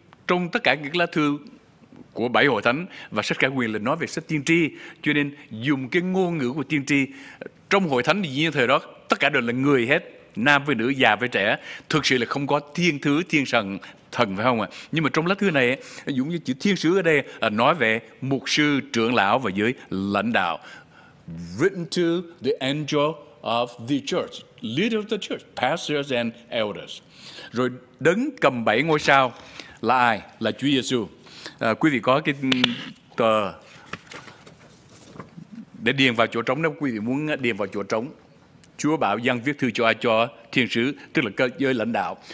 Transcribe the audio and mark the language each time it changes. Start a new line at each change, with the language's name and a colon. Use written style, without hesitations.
Vietnamese: Trong tất cả những lá thư của 7 hội thánh và sách Khải Huyền là nói về sách tiên tri, cho nên dùng cái ngôn ngữ của tiên tri. Trong hội thánh thì như thời đó tất cả đều là người hết, nam với nữ, già với trẻ, thực sự là không có thiên thứ, thiên thần, thần, phải không ạ? Nhưng mà trong lá thư này, dùng như chữ thiên sứ ở đây nói về mục sư, trưởng lão và giới lãnh đạo.
English: Written to the angel of the church, leader of the church, pastors and elders.
Vietnamese: Rồi đấng cầm 7 ngôi sao là ai? Là Chúa Giêsu. Quý vị có cái tờ để điền vào chỗ trống, nếu quý vị muốn điền vào chỗ trống. Chúa bảo Giăng viết thư cho ai? Cho thiên sứ, tức là cơ giới lãnh đạo.